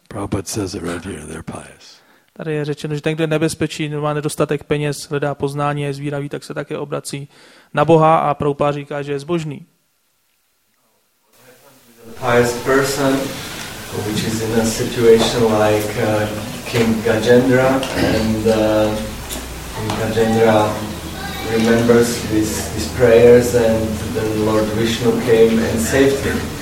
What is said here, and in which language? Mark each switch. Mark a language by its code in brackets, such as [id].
[en] Prabhupada says it right here, they're pious. [cs] Tady je řečeno, že ten, kdo je nebezpečí, má nedostatek peněz, hledá poznání, je zvíravý, tak se také obrací na Boha a Prabhupada říká, že je zbožný. [en] pious person, which is in a situation like King Gajendra, and King Gajendra remembers his prayers, and then Lord Vishnu came and saved him.